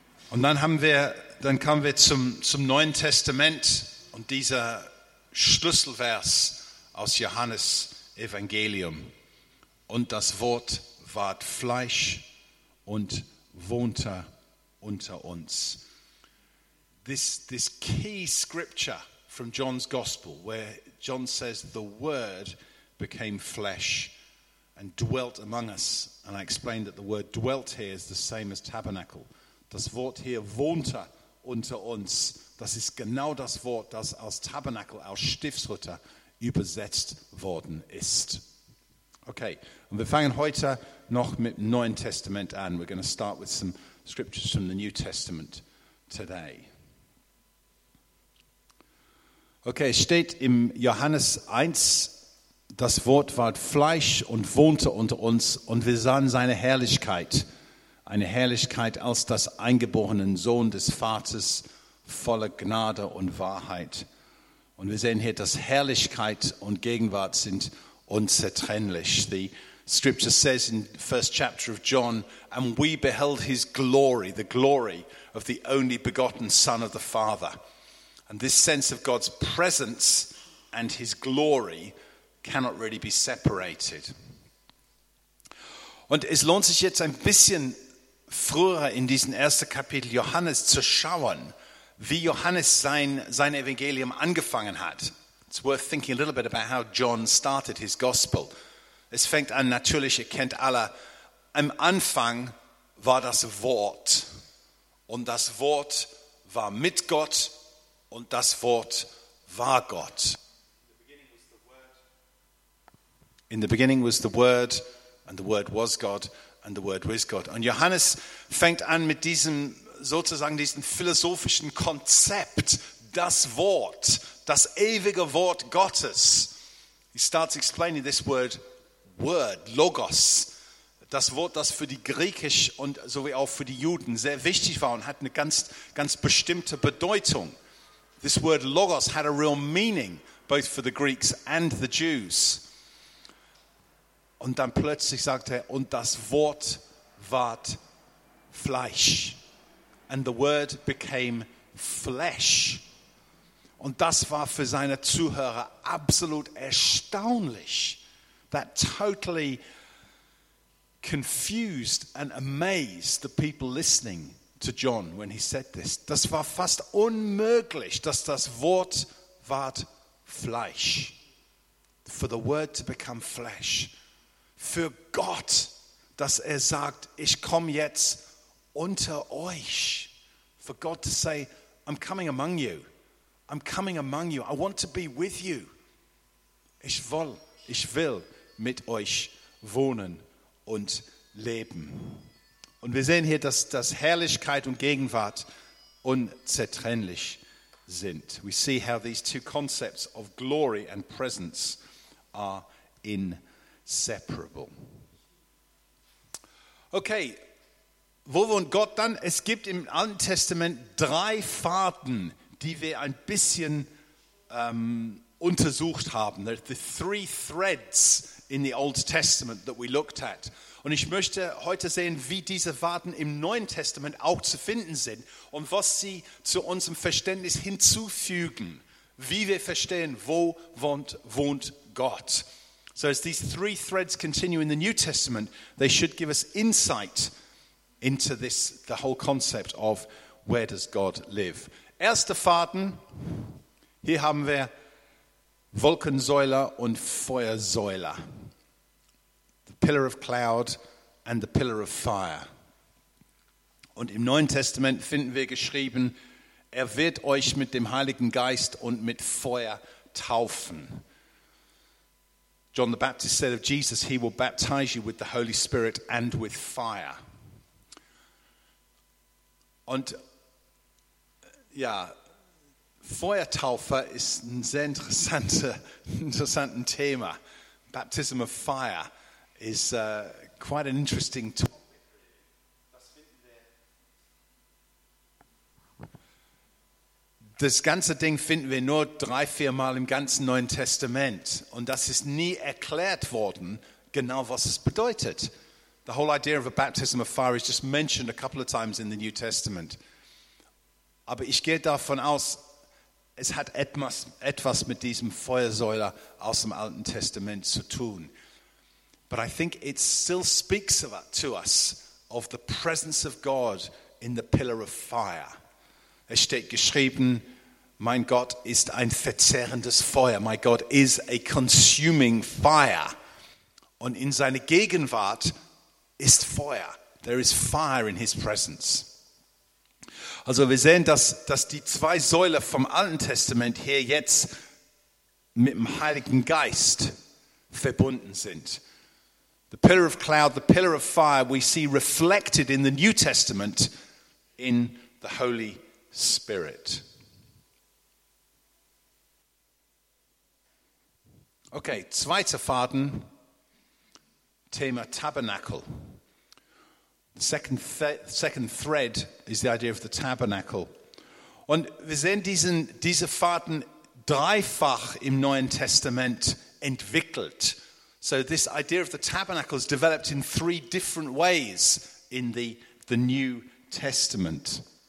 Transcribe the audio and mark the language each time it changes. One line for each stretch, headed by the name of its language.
German: Und dann kamen wir zum Neuen Testament und dieser Schlüsselvers aus Johannes Evangelium. Und das Wort ward Fleisch und wohnte unter uns.
English: This key scripture from John's Gospel, where John says the Word became flesh and dwelt among us. And I explained that the word dwelt here is the same as tabernacle.
German: Das Wort hier wohnte unter uns. Das ist genau das Wort, das aus Tabernacle, aus Stiftshütte übersetzt worden ist. Okay, und wir fangen heute noch mit dem Neuen Testament an.
English: We're going to start with some scriptures from the New Testament today.
German: Okay, es steht im Johannes 1, das Wort ward Fleisch und wohnte unter uns und wir sahen seine Herrlichkeit, eine Herrlichkeit als das eingeborenen Sohn des Vaters, voller Gnade und Wahrheit. Und wir sehen hier, dass Herrlichkeit und Gegenwart sind unzertrennlich.
English: The scripture says in the first chapter of John, and we beheld his glory, the glory of the only begotten Son of the Father. And this sense of God's presence and his glory cannot really be separated.
German: Und es lohnt sich jetzt ein bisschen früher in diesen ersten Kapitel Johannes zu schauen, wie Johannes sein Evangelium angefangen hat.
English: It's worth thinking a little bit about how John started his gospel.
German: Es fängt an, natürlich, ihr kennt alle, am Anfang war das Wort. Und das Wort war mit Gott und das Wort war Gott.
English: In the beginning was the Word, and the Word was God, and the Word was God.
German: Und Johannes fängt an mit diesem, sozusagen diesem philosophischen Konzept, das Wort, das ewige Wort Gottes.
English: He starts explaining this word, logos.
German: Das Wort, das für die Griechisch und sowie auch für die Juden sehr wichtig war und hat eine ganz, ganz bestimmte Bedeutung.
English: This word logos had a real meaning, both for the Greeks and the Jews.
German: Und dann plötzlich sagt er, und das Wort ward Fleisch.
English: And the Word became flesh.
German: Und das war für seine Zuhörer absolut erstaunlich.
English: That totally confused and amazed the people listening to John when he said this.
German: Das war fast unmöglich, dass das Wort ward Fleisch.
English: For the word to become flesh.
German: Für Gott, dass er sagt, ich komme jetzt unter euch.
English: For God to say, I'm coming among you. I'm coming among you. I want to be with you.
German: Ich will mit euch wohnen und leben. Und wir sehen hier, dass Herrlichkeit und Gegenwart unzertrennlich sind.
English: We see how these two concepts of glory and presence are inseparable.
German: Okay, wo wohnt Gott dann? Es gibt im Alten Testament drei Fahrten, die wir ein bisschen untersucht haben.
English: The three threads in the Old Testament that we looked at.
German: Und ich möchte heute sehen, wie diese Fahrten im Neuen Testament auch zu finden sind und was sie zu unserem Verständnis hinzufügen, wie wir verstehen, wo wohnt Gott.
English: So as these three threads continue in the New Testament, they should give us insight into this, the whole concept of where does God live.
German: Erste Fahrten, hier haben wir Wolkensäule und Feuersäule.
English: The pillar of cloud and the pillar of fire.
German: Und im Neuen Testament finden wir geschrieben, er wird euch mit dem Heiligen Geist und mit Feuer taufen.
English: John the Baptist said of Jesus, he will baptize you with the Holy Spirit and with fire.
German: Und ja, Feuertaufe ist ein sehr interessantes Thema.
English: Baptism of fire is quite an interesting topic.
German: Das ganze Ding finden wir nur 3-4 Mal im ganzen Neuen Testament. Und das ist nie erklärt worden, genau was es bedeutet.
English: The whole idea of a baptism of fire is just mentioned a couple of times in the New Testament.
German: Aber ich gehe davon aus, es hat etwas mit diesem Feuersäule aus dem Alten Testament zu tun.
English: But I think it still speaks to us of the presence of God in the pillar of fire.
German: Es steht geschrieben, mein Gott ist ein verzehrendes Feuer.
English: My God is a consuming fire.
German: Und in seiner Gegenwart ist Feuer.
English: There is fire in his presence.
German: Also wir sehen, dass die zwei Säule vom Alten Testament hier jetzt mit dem Heiligen Geist verbunden sind.
English: The pillar of cloud, the pillar of fire, we see reflected in the New Testament in the Holy Spirit.
German: Okay, zweiter Faden, Thema Tabernakel.
English: The second thread is the idea of the tabernacle.
German: Und wir sehen diese Faden dreifach im Neuen Testament entwickelt.
English: So this idea of the tabernacle is developed in three different ways in the New Testament.